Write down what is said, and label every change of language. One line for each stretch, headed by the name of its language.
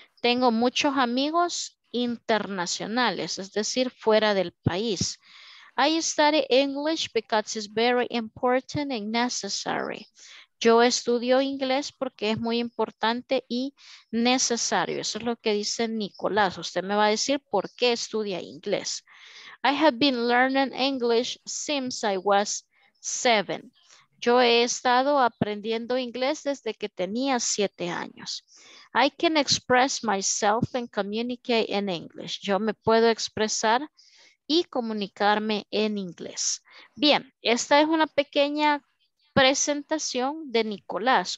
Spanish: Tengo muchos amigos internacionales, es decir, fuera del país.
English: I study English because it's very important and necessary.
Spanish: Yo estudio inglés porque es muy importante y necesario. Eso es lo que dice Nicolás. Usted me va a decir por qué estudia inglés.
English: I have been learning English since I was 7.
Spanish: Yo he estado aprendiendo inglés desde que tenía 7 años.
English: I can express myself and communicate in English.
Spanish: Yo me puedo expresar y comunicarme en inglés. Bien, esta es una pequeña presentación de Nicolás.